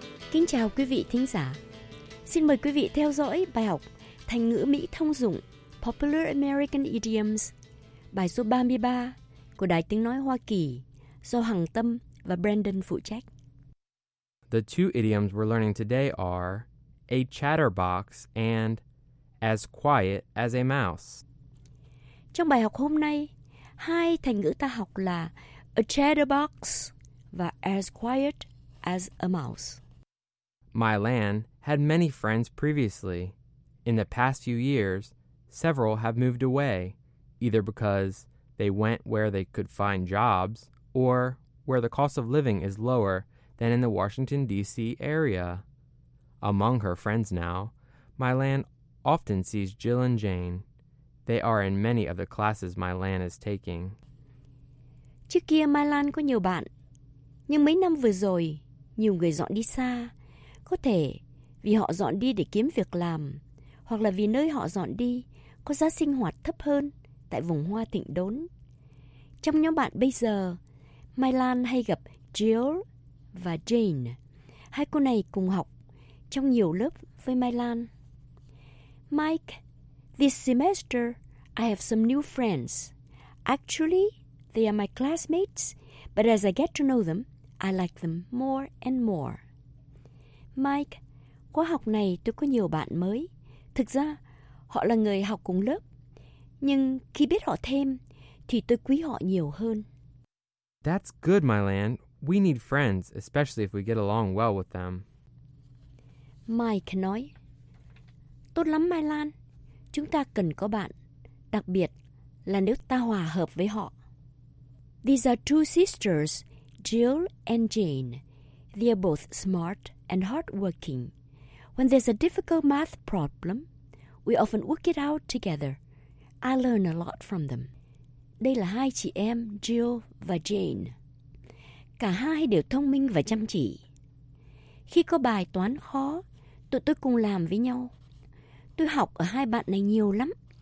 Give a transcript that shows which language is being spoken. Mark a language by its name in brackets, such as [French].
[Vietnamese] Kính chào quý vị thính giả. Xin mời quý vị theo dõi bài học thành ngữ Mỹ thông dụng Popular American Idioms, bài số 33 của Đài Tiếng Nói Hoa Kỳ do Hằng Tâm và Brandon phụ trách. [English] The two idioms we're learning today are a chatterbox and as quiet as a mouse. [Vietnamese] Trong bài học hôm nay, hai thành ngữ ta học là a chatterbox và [English] as quiet as a mouse. My land had many friends previously. In the past few years, several have moved away, either because they went where they could find jobs or where the cost of living is lower than in the Washington, D.C. area. Among her friends now, my land often sees Jill and Jane. They are in many of the classes my land is taking. [Vietnamese] Trước kia, my land có nhiều bạn. Nhưng mấy năm vừa rồi, nhiều người dọn đi xa. Có thể vì họ dọn đi để kiếm việc làm, hoặc là vì nơi họ dọn đi có giá sinh hoạt thấp hơn tại vùng hoa thịnh đốn. Trong nhóm bạn bây giờ, Mai Lan hay gặp Jill và Jane. Hai cô này cùng học trong nhiều lớp với Mai Lan. [English] Mike, this semester I have some new friends. Actually, they are my classmates, but as I get to know them, I like them more and more. [Vietnamese] Mike, khóa học này tôi có nhiều bạn mới. Thực ra, họ là người học cùng lớp. Nhưng khi biết họ thêm, thì tôi quý họ nhiều hơn. [English] That's good, my land. We need friends, especially if we get along well with them. [Vietnamese] Mike nói, tốt lắm, my land. Chúng ta cần có bạn, đặc biệt là nếu ta hòa hợp với họ. [English] These are two sisters, Jill and Jane. They are both smart and hardworking. When there's a difficult math problem, we often work it out together. I learn a lot from them. [Vietnamese] Đây là hai chị em, Jill và Jane. Cả hai đều thông minh và chăm chỉ. Khi có bài toán khó, tụi tôi cùng làm với nhau. Tôi học ở hai bạn này nhiều lắm.